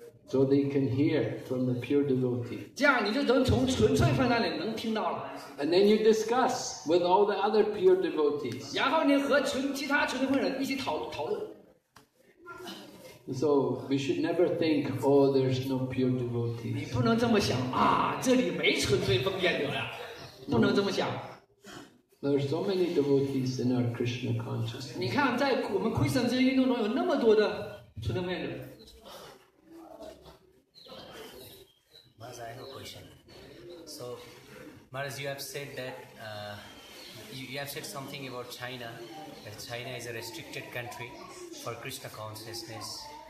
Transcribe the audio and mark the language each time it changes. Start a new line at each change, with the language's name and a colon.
English: So they can hear from the pure devotee.
Chinese: 这样你就能从纯粹分那里能听到了。
English: And then you discuss with all the other pure devotees.
Chinese: 然后你和其他纯粹分人一起讨论。
English: So we should never think, oh, there's no pure devotees.
Chinese: 你不能这么想啊，这里没纯粹奉献者呀，不能这么想。
English: There are so many devotees in our Krishna consciousness.
Chinese: 你看，在我们 Krishna 这些运动中有那么多的纯粹奉献者。
English: Maharaj, I have a question. So, Maharaj, you have said that you have said something about China, that China is a restricted country for Krishna consciousness.